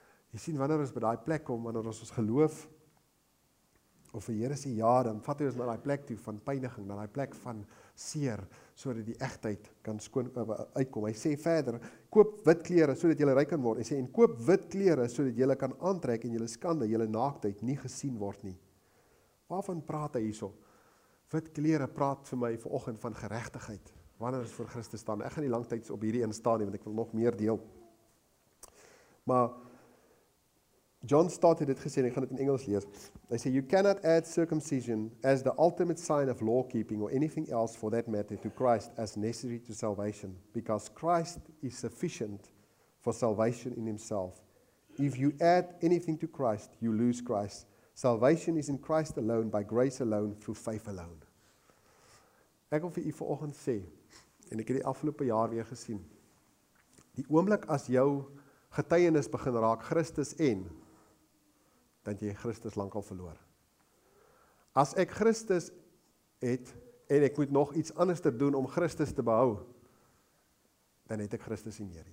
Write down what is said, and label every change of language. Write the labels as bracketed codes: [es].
[af] Jy sien wanneer ons by daai plek kom, wanneer ons geloof of vir Here sê ja, dan vat hy ons na daai plek toe van pyniging, na daai plek van seer sodat die egtheid kan skoon uitkom. Hy sê verder, koop wit klere sodat jy ryk kan word. Hy sê en koop wit klere sodat jy kan aantrek en jy skande, jy naaktheid nie gesien word nie. Waarvan praat hy hierso? Wit klere praat vir my vanoggend van geregtigheid. Wanneer ons voor Christus staan. Ek gaan nie lang tyd op hierdie een staan nie, want ek wil nog meer deel. Maar John Stott het dit gesê, en ek gaan dit in Engels lees. Hy sê, [en] you cannot add circumcision as the ultimate sign of law keeping or anything else for that matter to Christ as necessary to salvation. Because Christ is sufficient for salvation in himself. If you add anything to Christ, you lose Christ. Salvation is in Christ alone, by grace alone, through faith alone. [af] Ek wil vir u vanoggend sê, en ek het die afgelope jaar weer gesien, die oomblik as jou getuienis begin raak, Christus en, dan jy Christus lank al verloor. As ek Christus het, en ek moet nog iets anders te doen om Christus te behou, dan het ek Christus nie meer.